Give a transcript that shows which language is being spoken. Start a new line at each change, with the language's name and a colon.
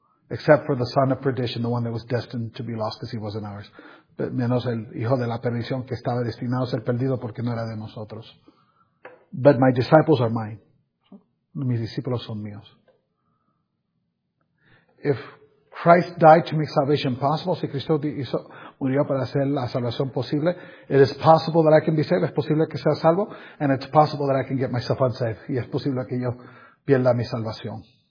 English: Except for the son of perdition, the one that was destined to be lost because he wasn't ours.
Spanish: Menos el hijo de la perdición que estaba destinado a ser perdido porque no era de nosotros.
English: But my disciples are mine.
Spanish: Mis discípulos son míos.
English: If Christ died to make salvation possible,
Spanish: si Cristo murió para hacer la salvación posible,
English: it is possible that I can be saved.
Spanish: Es posible que sea salvo.
English: And it's possible that I can get myself unsaved.
Spanish: Y es posible que yo pierda mi salvación.